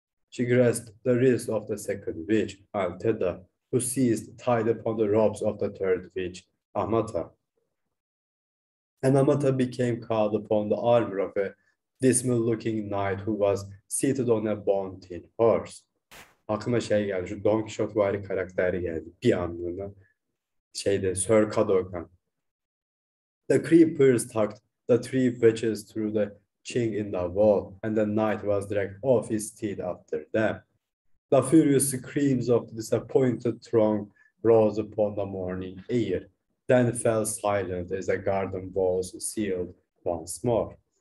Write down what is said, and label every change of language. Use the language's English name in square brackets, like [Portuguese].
[English] She grasped the wrist of the second witch, Alteda, who seized tied upon the ropes of the third witch, Amata. And Amata became caught upon the armor of a dismal-looking knight who was seated on a bone-tin horse. [Turkish] Aklıma şey geldi, şu Don Quixote vari karakteri geldi bir anlığına. Şeyde, Sir Cadogan. [English] The creepers tucked the three witches through the chink in the wall, and the knight was dragged off his steed after them. The furious screams of the disappointed throng rose upon the morning air, then fell silent as the garden walls sealed once more.